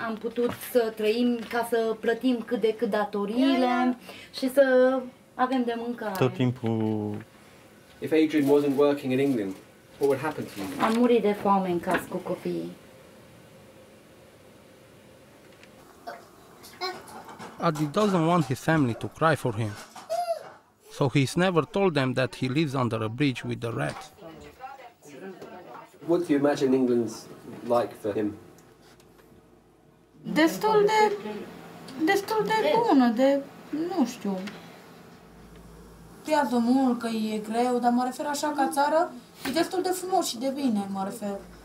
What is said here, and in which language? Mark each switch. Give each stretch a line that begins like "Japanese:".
Romanian: Am putut să trăim ca să plătim cât de cât datoriile și să avem de mâncare. Tot timpul.
English: If Adrian wasn't working in England, what would happen to him?
Romanian: Am murit de foame în casă cu copiii.
English: Adi doesn't want his family to cry for him. So he's never told them that he lives under a bridge with the rats. What do you imagine England's like for him?
Romanian: Destul de bună, de nu știu. Piază mult că e greu, dar mă refer așa ca țară, e destul de frumos și de bine, mă refer.